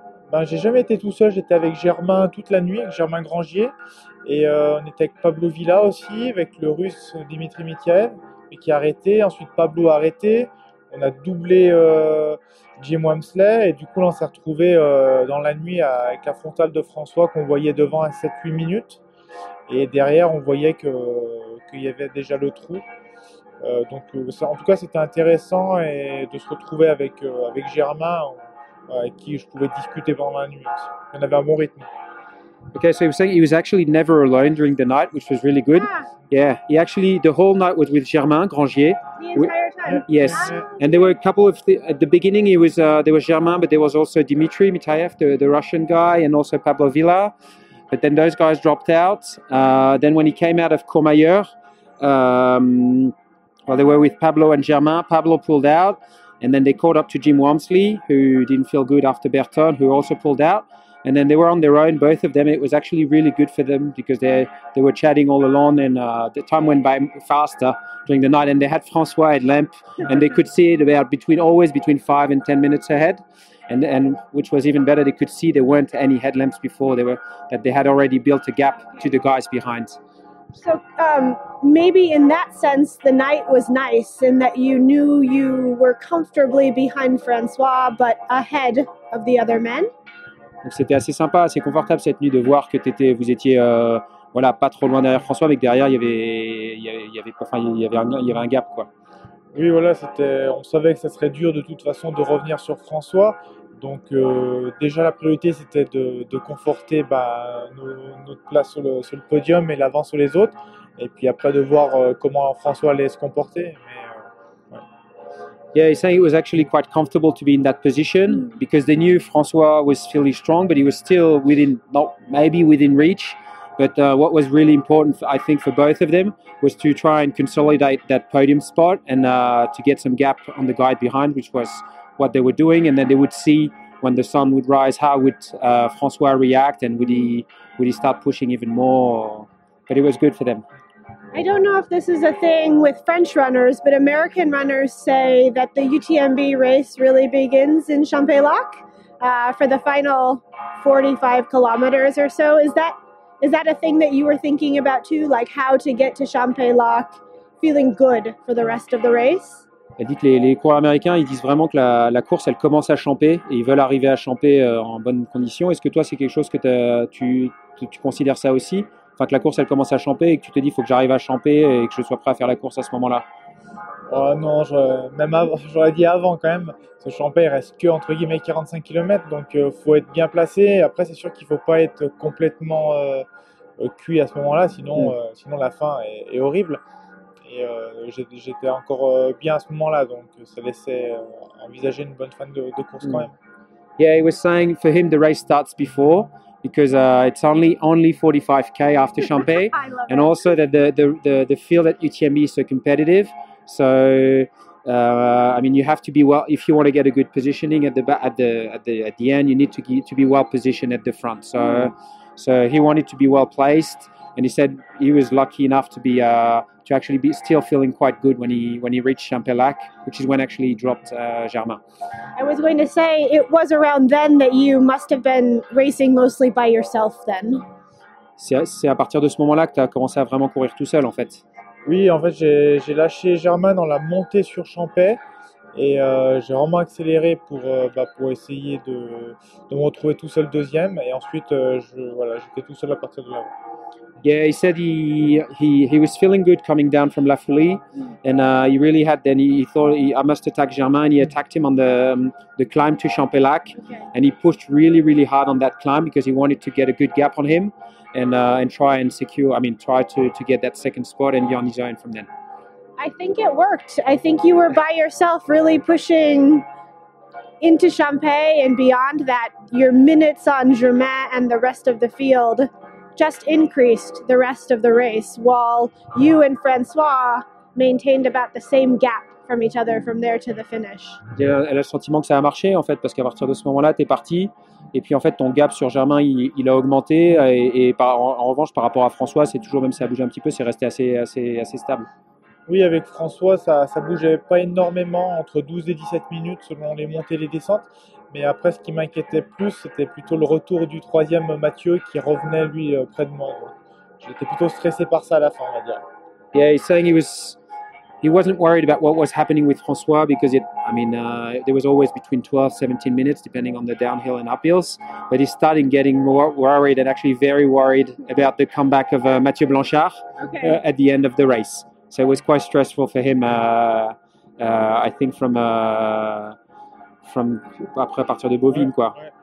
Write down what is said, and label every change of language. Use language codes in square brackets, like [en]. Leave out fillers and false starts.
[fr] Ben, j'ai jamais été tout seul, j'étais avec Germain toute la nuit, avec Germain Grangier, et on était avec Pablo Villa aussi, avec le russe Dimitri Mitiev, qui a arrêté, ensuite Pablo a arrêté, on a doublé Jim Wamsley, et du coup on s'est retrouvé dans la nuit avec la frontale de François qu'on voyait devant à 7-8 minutes, et derrière on voyait qu'il y avait déjà le trou. Donc ça, en tout cas c'était intéressant et de se retrouver avec Germain, avec qui je pouvais discuter pendant la nuit. On avait un bon rythme. [en] Okay, so he was saying he was actually never alone during the night, which was really good. Yeah, he actually, the whole night was with Germain Grangier. The entire time? Yes, yeah. And there were a couple of, at the beginning, there was Germain, but there was also Dimitri Mitaev, the Russian guy, and also Pablo Villa. But then those guys dropped out. Then when he came out of Courmayeur, they were with Pablo and Germain. Pablo pulled out. And then they caught up to Jim Wamsley, who didn't feel good after Bertone, who also pulled out. And then they were on their own, both of them. It was actually really good for them because they were chatting all along, and the time went by faster during the night. And they had François at Lamp, and they could see it about between 5 and 10 minutes ahead. And which was even better, they could see there weren't any headlamps before. They were, that they had already built a gap to the guys behind. So maybe in that sense, the night was nice in that you knew you were comfortably behind François, but ahead of the other men. [fr] Donc c'était assez sympa, assez confortable cette nuit de voir que vous étiez pas trop loin derrière François, mais que derrière il y avait un gap quoi. Oui voilà, on savait que ça serait dur de toute façon de revenir sur François, donc déjà la priorité c'était de conforter notre place sur le podium et l'avant sur les autres, et puis après de voir comment François allait se comporter. [en] Yeah, he's saying it was actually quite comfortable to be in that position because they knew François was fairly strong, but he was still within, not maybe within reach. But what was really important, I think, for both of them was to try and consolidate that podium spot and to get some gap on the guide behind, which was what they were doing. And then they would see when the sun would rise, how would François react and would he start pushing even more? But it was good for them. I don't know if this is a thing with French runners, but American runners say that the UTMB race really begins in Champs-Élysées for the final 45 kilometers or so. Is that a thing that you were thinking about too, like how to get to Champs-Élysées feeling good for the rest of the race? [fr] Elle dit que les coureurs américains, ils disent vraiment que la course, elle commence à Champs-Élysées et ils veulent arriver à Champs-Élysées en bonne condition. Est-ce que toi, c'est quelque chose que tu considères ça aussi? Enfin, que la course elle commence à Champs-Élysées et que tu te dis faut que j'arrive à Champs-Élysées et que je sois prêt à faire la course à ce moment-là. Oh non, j'aurais dit avant quand même. Ce Champs-Élysées reste que entre guillemets 45 km, donc faut être bien placé. Après c'est sûr qu'il faut pas être complètement cuit à ce moment-là, sinon la fin est horrible. Et j'étais encore bien à ce moment-là, donc ça laissait envisager une bonne fin de course quand même. [en] Yeah, he was saying for him the race starts before. Because it's only 45k after Champs-Élysées, and also that the field at UTMB is so competitive. So I mean, you have to be well if you want to get a good positioning at the end. You need to be well positioned at the front. So so he wanted to be well placed, and he said he was lucky enough to be still feeling quite good when he reached Champs-Élysées, which is when actually he dropped Germain. I was going to say, it was around then that you must have been racing mostly by yourself then. [fr] C'est à partir de ce moment-là que tu as commencé à vraiment courir tout seul, en fait. Oui, en fait, j'ai lâché Germain dans la montée sur Champs-Élysées et j'ai vraiment accéléré pour essayer de me retrouver tout seul deuxième. Et ensuite, j'étais tout seul à partir de là. [en] Yeah, he said he was feeling good coming down from La Folie, and he really had. Then he thought I must attack Germain. And he attacked him on the climb to Champs-Élysées, okay. And he pushed really, really hard on that climb because he wanted to get a good gap on him, and try and secure. I mean, try to get that second spot and be on his own from then. I think it worked. I think you were by yourself, really pushing into Champs-Élysées and beyond that. Your minutes on Germain and the rest of the field just increased the rest of the race, while you and François maintained about the same gap from each other from there to the finish. [fr] Elle a le sentiment que ça a marché en fait, parce qu'à partir de ce moment-là, t'es parti, et puis en fait, ton gap sur Germain, il a augmenté, et en revanche, par rapport à François, c'est toujours, même si ça bougeait un petit peu, c'est resté assez stable. Oui, avec François, ça bougeait pas énormément, entre 12 et 17 minutes selon les montées et les descentes. Mais après, ce qui m'inquiétait plus, c'était plutôt le retour du troisième Mathieu qui revenait lui près de moi. J'étais plutôt stressé par ça à la fin, on va dire. [en] Yeah, he's saying he wasn't worried about what was happening with François because there was always between 12, 17 minutes depending on the downhill and uphills. But he's starting getting more worried and actually very worried about the comeback of Mathieu Blanchard, okay, at the end of the race. So it was quite stressful for him, I think, from [fr] après partir de Bovine, quoi.